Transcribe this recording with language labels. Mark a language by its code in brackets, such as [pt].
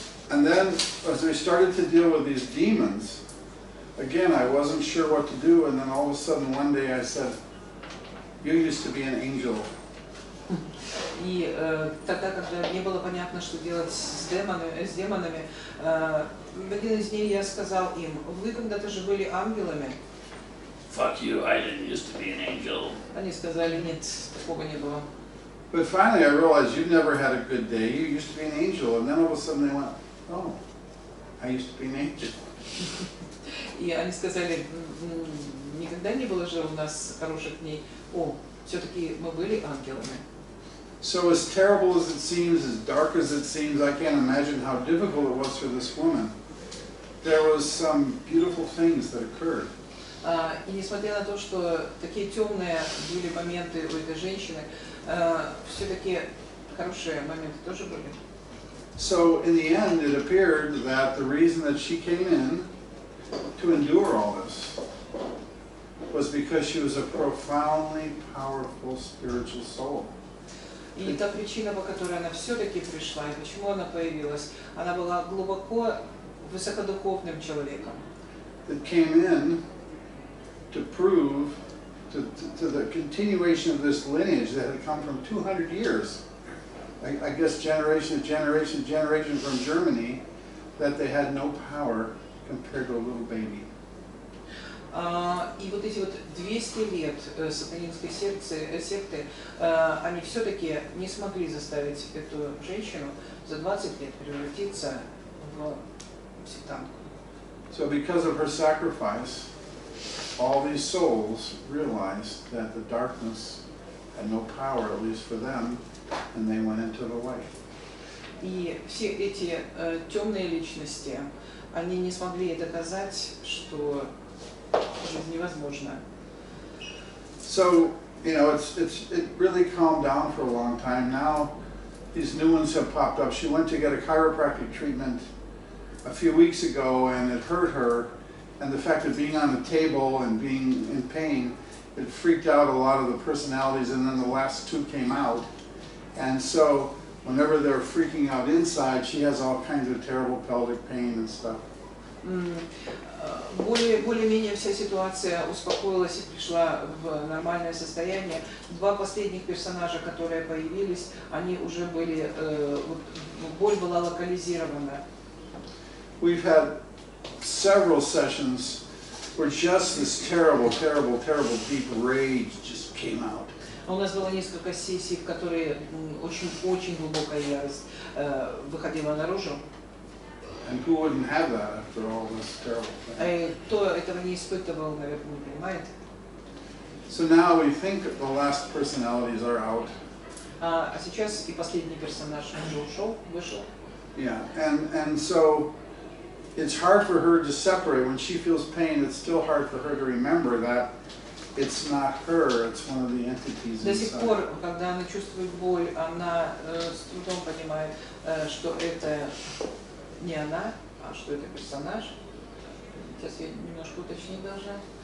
[en] And then, as we started to deal with these demons, again, I wasn't sure what to do, and then all of a sudden, one day I said, you used to be an angel. [ru] И тогда, когда не было понятно, что делать с демонами, в один из дней я сказал им, вы когда-то же были ангелами. [en] Fuck you, I didn't used to be an angel. [ru] Они сказали, нет, такого не было. [en] But finally I realized you've never had a good day, you used to be an angel. And then all of a sudden they went, oh, I used to be an angel. [ru] И они сказали, никогда не было же у нас хороших дней, о, все-таки мы были ангелами. [en] So as terrible as it seems, as dark as it seems, I can't imagine how difficult it was for this woman. There was some beautiful things that occurred. [ru] И несмотря на то, что такие темные были моменты у этой женщины, все-таки хорошие моменты тоже были. [en] So in the end, it appeared that the reason that she came in to endure all this was because she was a profoundly powerful spiritual soul. [ru] И та причина, по которой она все-таки пришла, и почему она появилась, она была глубоко высокодуховным человеком. [en] That came in to prove to the continuation of this lineage that had come from 200 years, I guess generation to generation from Germany, that they had no power compared to a little baby. [ru] И вот эти вот 200 лет сатанинской секты, они все-таки не смогли заставить эту женщину за 20 лет превратиться в сектантку. [en] So because of her sacrifice, all these souls realized that the darkness had no power, at least for them, and they went into the light. [ru] И все эти темные личности, они не смогли доказать, что жизнь невозможна. [en] So, you know, it really calmed down for a long time. Now these new ones have popped up. She went to get a chiropractic treatment a few weeks ago, and it hurt her. And the fact of being on the table and being in pain, it freaked out a lot of the personalities, and then the last two came out. And so whenever they're freaking out inside, she has all kinds of terrible pelvic pain and stuff. [ru] Более-менее вся ситуация успокоилась и пришла в нормальное состояние. Два последних персонажа, которые появились, они уже были, боль была локализирована. [en] We've had several sessions where just this terrible deep rage just came out. [ru] У нас было несколько сессий, в которые очень глубокая ярость выходила наружу. [en] And who wouldn't have that after all this terrible thing? [ru] Кто этого не испытывал, наверное, понимает. [en] So now we think the last personalities are out. [ru] А сейчас и последний персонаж уже вышел. [en] Yeah, and so it's hard for her to separate when she feels pain. It's still hard for her to remember that it's not her. It's one of the entities inside. [ru] До сих пор, когда она чувствует боль, она с трудом понимает, что это не она, а что это персонаж. Сейчас я немножко уточнить должна.